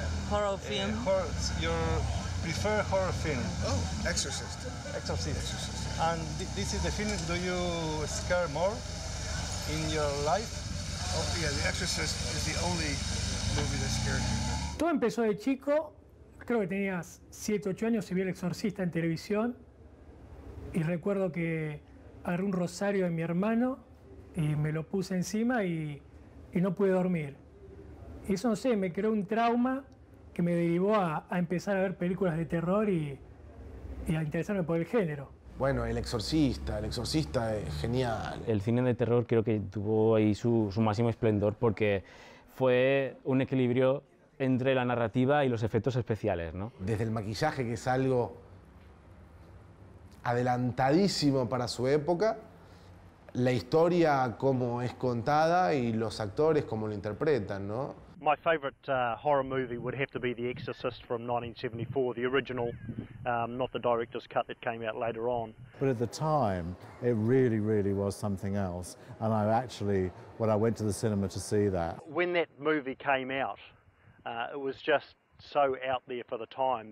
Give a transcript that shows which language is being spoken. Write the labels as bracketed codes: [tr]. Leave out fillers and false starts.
[en] horror film? Your preferred horror film? Oh, Exorcist. Exorcist. And this is the film, do you scare more in your life? Oh, yeah, The Exorcist is the only movie that scared me. [es] Todo empezó de chico. Creo que tenías 7, 8 años y vi El Exorcista en televisión. Y recuerdo que agarré un rosario de mi hermano y me lo puse encima y no pude dormir. Y eso, no sé, me creó un trauma que me derivó a empezar a ver películas de terror y a interesarme por el género. Bueno, El Exorcista es genial. El cine de terror creo que tuvo ahí su máximo esplendor porque fue un equilibrio entre la narrativa y los efectos especiales, ¿no? Desde el maquillaje, que es algo adelantadísimo para su época, la historia como es contada y los actores como lo interpretan, ¿no? [en] My favorite horror movie would have to be The Exorcist from 1974, the original, not the director's cut that came out later on. But at the time, it really, really was something else. And I actually, when I went to the cinema to see that. When that movie came out, it was just so out there for the time.